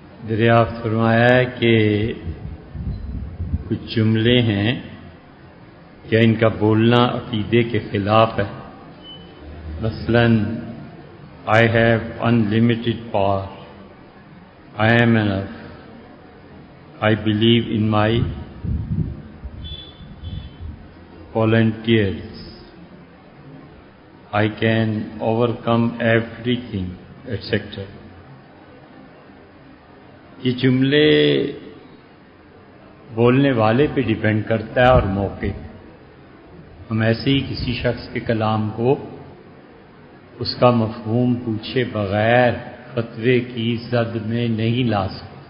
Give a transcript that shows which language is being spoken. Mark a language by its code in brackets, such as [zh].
[ur] دریافت فرمایا ہے کہ کچھ جملے ہیں کہ ان کا بولنا عقیدے کے خلاف ہے. مثلا [en] I have unlimited power, I am enough, I believe in my volunteers, I can overcome everything, etc. [ur] یہ جملے بولنے والے پہ ڈیپینڈ کرتا ہے اور موقع. ہم ایسے ہی کسی شخص کے کلام کو اس کا مفہوم پوچھے بغیر فتوے کی زد میں نہیں لا سکتے.